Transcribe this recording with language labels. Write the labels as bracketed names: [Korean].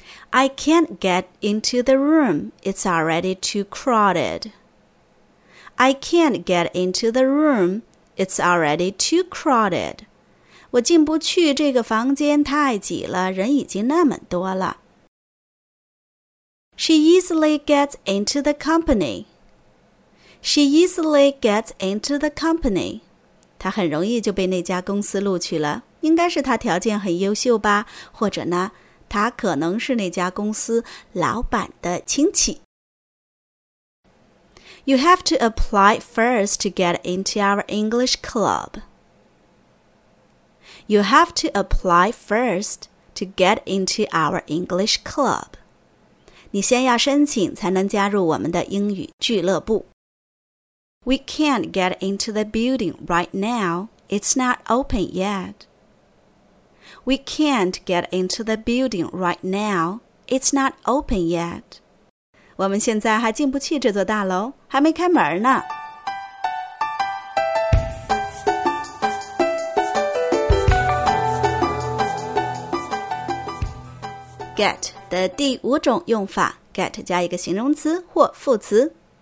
[English] I can't get into the room, it's already too crowded. I can't get into the room, it's already too crowded. [Chinese] 我进不去这个房间，太挤了，人已经那么多了。 [English] She easily gets into the company. She easily gets into the company. [Chinese] 她很容易就被那家公司录取了，应该是她条件很优秀吧，或者呢，她可能是那家公司老板的亲戚。 [English] You have to apply first to get into our English club. You have to apply first to get into our English club. [Chinese] 你先要申请才能加入我们的英语俱乐部。 [English] We can't get into the building right now. It's not open yet. We can't get into the building right now. It's not open yet. [Chinese] 我们现在还进不去这座大楼，还没开门呢。 Get 的第五种用法 ，get 加一个形容词或副词。